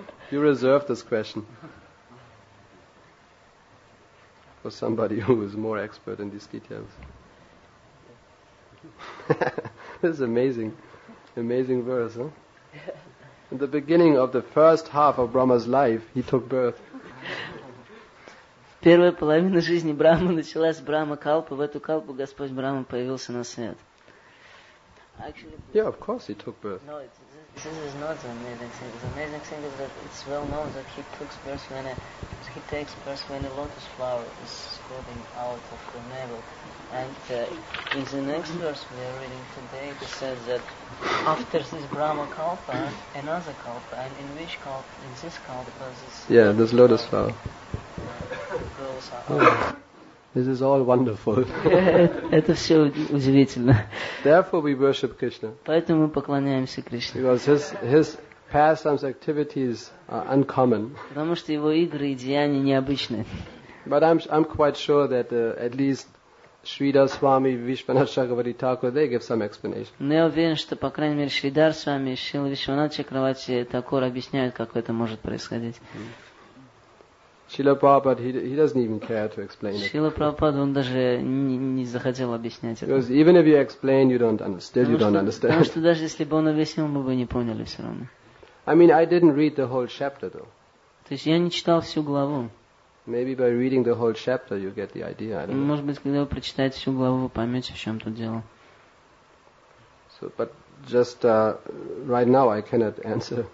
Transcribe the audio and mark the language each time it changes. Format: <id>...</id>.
<en>You reserve this question for somebody who is more expert in these details. This is amazing. Amazing verse, huh? In the beginning of the first half of Brahma's life, he took birth.</en> <ru>Первая половина жизни Брахмы началась с Брахма Калпы. В эту Калпу Господь Брахма появился на свет.</ru> <en>Yeah, of course he took birth. No, this is not the amazing thing. The amazing thing is that it's well known that he took birth when he takes birth when a lotus flower is sprouting out of the navel. And in the next verse we are reading today, it says that after this Brahma Kalpa, another Kalpa, and in which Kalpa? In this Kalpa, this... Yeah, this lotus flower. Grows out. This is all wonderful.</en> <ru>Это все удивительно.</ru> <en>Therefore we worship Krishna.</en> <ru>Поэтому мы поклоняемся Кришне.</ru> <en>Because his pastimes activities are uncommon.</en> <ru>Потому что его игры и деяния необычны.</ru> <en>But I'm quite sure that at least Shridhar Swami, Vishwanath Chakravarti Thakur, they give some explanation.</en> <ru>Но я уверен, что по крайней мере Шридар Свами, Шрила Вишванат Чакравати Такур объясняют, как это может происходить.</ru> <en>Srila Prabhupada, he doesn't even care to explain it.</en> <ru>Srila Prabhupada, он даже не захотел объяснять это.</ru> <en>Because even if you explain, you don't understand.</en> <ru>Потому что даже если бы он объяснил, мы бы не поняли все равно.</ru> <en>I mean, I didn't read the whole chapter, though.</en> <ru>То есть я не читал всю главу.</ru> <en>Maybe by reading the whole chapter, you get the idea. I don't know.</en> <ru>Может быть, когда вы прочитаете всю главу, вы поймете, в чем тут дело.</ru> <en>So, but just right now, I cannot answer.</en>